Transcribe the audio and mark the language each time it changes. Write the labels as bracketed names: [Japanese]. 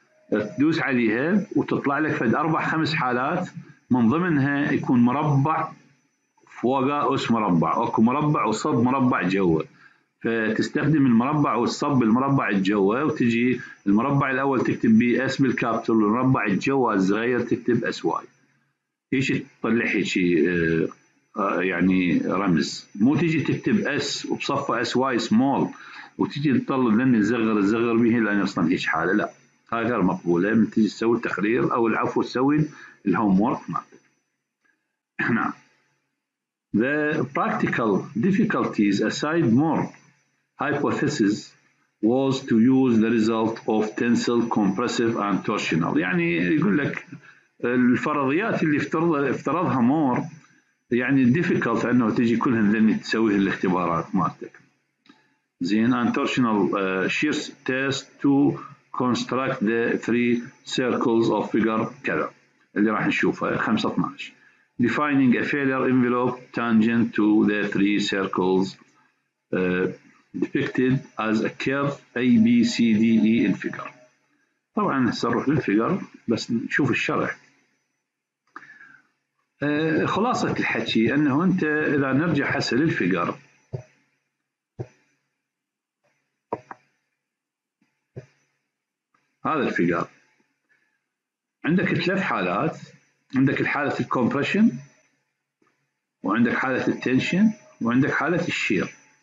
[Arabic] تدوس عليها وتطلع لك فد أربع خمس حالات من ضمنها يكون مربع فوق أس مربع، أكو مربع وصب مربع جوا، فتستخدم المربع والصب المربع الجوا، وتجي المربع الأول تكتب بي أس بالكابتل، والمربع الجوا الصغير تكتب أس واي، إيش تطلع هيجي يعني رمز، مو تجي تكتب أس وبصفة أس واي سمول وتجي تطلع لأن الزغر الزغر به لأن أصلاً إيش حالة، لا هاي غير مقبولة، من تجي تسوي التقرير أو العفو تسوي الهومورك مالك. نعم. [English] The practical difficulties aside more hypothesis was to use the result of tensile compressive and torsional. [Arabic] يعني يقول لك الفرضيات اللي افترضها مور يعني difficult انه تجي كلهم ذني تسويه الاختبارات مالتك. [English] زين and torsional shear test to construct the three circles of figure [Arabic] كذا اللي راح نشوفها 5-12. [English] Defining a failure envelope tangent to the three circles depicted as a curve A, B, C, D, E in figure. [Arabic] طبعا سنروح للفيجر بس نشوف الشرح. خلاصة الحكي أنه أنت إذا نرجع حسا للفيجر هذا الفيجر عندك ثلاث حالات، عندك الحالة الكومبريشن وعندك حالة التنشن وعندك حالة الشير.